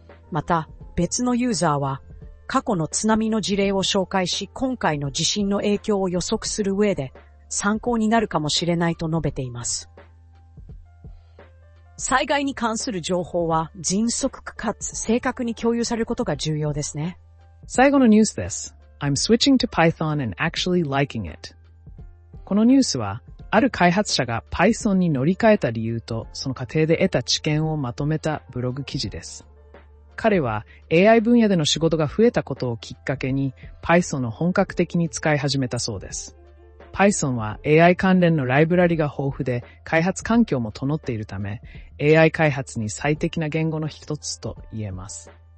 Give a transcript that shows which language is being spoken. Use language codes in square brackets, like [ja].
[ja] また別のユーザーは過去の津波の事例を紹介し、今回の地震の影響を予測する上で参考になるかもしれないと述べています。災害に関する情報は迅速かつ正確に共有されることが重要ですね。最後のニュースです。 [en] I'm switching to Python and actually liking it。 [ja] このニュースは、ある開発者が Python に乗り換えた理由とその過程で得た知見をまとめたブログ記事です。彼は AI 分野での仕事が増えたことをきっかけに Python を本格的に使い始めたそうです。 Python は AI 関連のライブラリが豊富で開発環境も整っているため、AI 開発に最適な言語の一つと言えます。